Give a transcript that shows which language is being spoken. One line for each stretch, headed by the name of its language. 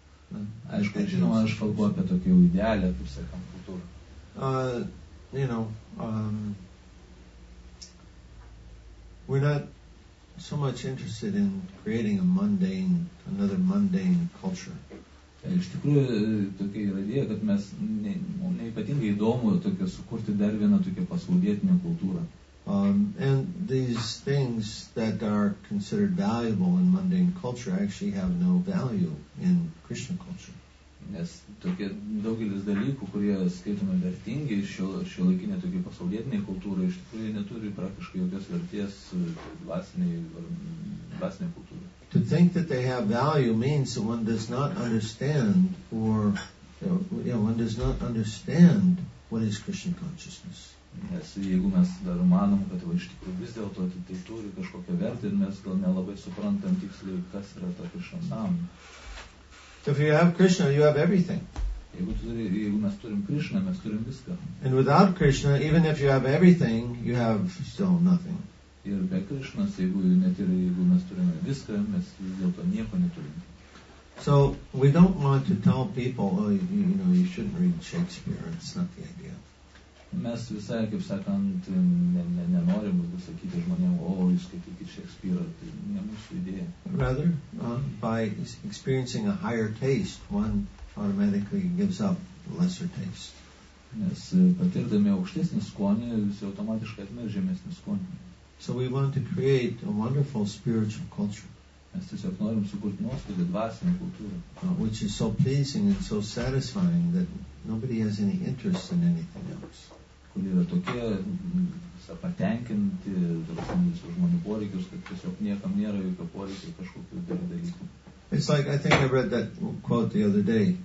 English: We're not so much interested in creating another mundane culture.
Lithuanian: Iš tikrųjų, tokia yra idėja, kad mes neypatingai įdomu tokio sukurti dar vieną tokią pasaulietinę kultūrą.
English: And these things that are considered valuable in mundane culture actually have no value in Christian culture.
Lithuanian: Nes tokie daugelis dalykų, kurie skaitome vertingi šio laikinė tokia pasaulietinė kultūra, iš tikrųjų neturi praktiškai jokios vertės dvasinė kultūra.
English: To think that they have value means that one does not understand one does not understand what is Christian consciousness.
Lithuanian: Nes jeigu mes dar manom, kad iš tikrųjų vis dėlto tai turi kažkokią vertę, mes gal nelabai suprantam tiksliai, kas yra ta Krishna sąmonė.
English: If you have Krishna, you have everything.
Lithuanian: Jeigu mes turim Krishna, mes turim viską.
English: And without Krishna, even if you have everything, you have still nothing.
Lithuanian: Ir be Krishnas, jeigu mes turime viską, mes vis dėlto nieko neturime.
English: So, we don't want to tell people, you shouldn't read Shakespeare, it's not the idea.
Lithuanian: Mes visai, kaip sakant, nenorim sakyti žmonėm, jūs skaitykite Shakespeare, tai ne mūsų idėja.
English: Rather, by experiencing a higher taste, one automatically gives up lesser taste.
Lithuanian: Nes patirdami aukštesnį skonį, visi automatiškai atmeta žemesnį skonį.
English: So we want to create a wonderful spiritual culture.
Lithuanian: Mes tiesiog norim sukurti nuostabią dvasinę kultūrą.
English: Which is so pleasing and so satisfying that nobody has any interest in anything else.
Lithuanian: Kur yra tokie patenkinti visų žmonių poreikius, kad tiesiog niekam nėra jokio poreikio kažkokių dalykų.
English: It's like, I think I read that quote the other day.